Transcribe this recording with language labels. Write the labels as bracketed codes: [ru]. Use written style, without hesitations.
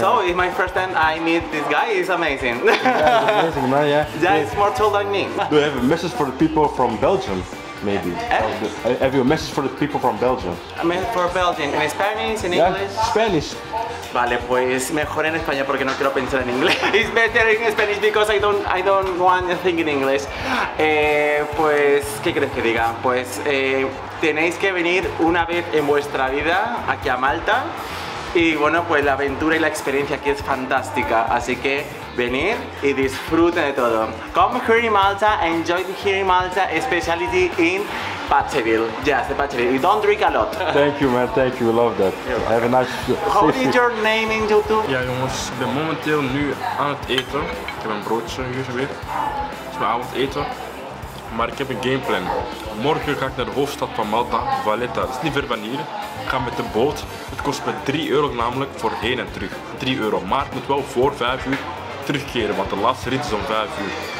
[en] So it's my first time I meet this guy, it's amazing. Yeah, it's amazing, man, yeah. Yeah, it's more tall than me. Do you have a message for the people from Belgium, maybe? Have you a message for the people from Belgium? A message for Belgium, in Spanish, in English? Spanish. [es] Vale, pues mejor en español porque no quiero pensar en inglés. [en] It's better in Spanish because I don't want to think in English. [es] Pues, ¿qué crees que diga? Pues tenéis que venir una vez en vuestra vida aquí a Malta. Y bueno, pues la aventura y la experiencia aquí es fantástica. Así que venir y disfruten de todo. [en] Come here in Malta, enjoy here in Malta, especially in Pacheville. Yes, the Pacheville. You don't drink a lot. Thank you, man. Thank you. Love that. Have a nice... How is your name in YouTube? [nl] Ja, jongens. Ik ben momenteel nu aan het eten. Ik heb een broodje hier weer. Het is mijn avondeten. Maar ik heb een gameplan. Morgen ga ik naar de hoofdstad van Malta, Valletta. Dat is niet ver van hier. Ik ga met de boot. Het kost me 3 euro namelijk voor heen en terug. 3 euro. Maar ik moet wel voor 5 uur terugkeren, want de laatste rit is om 5 uur.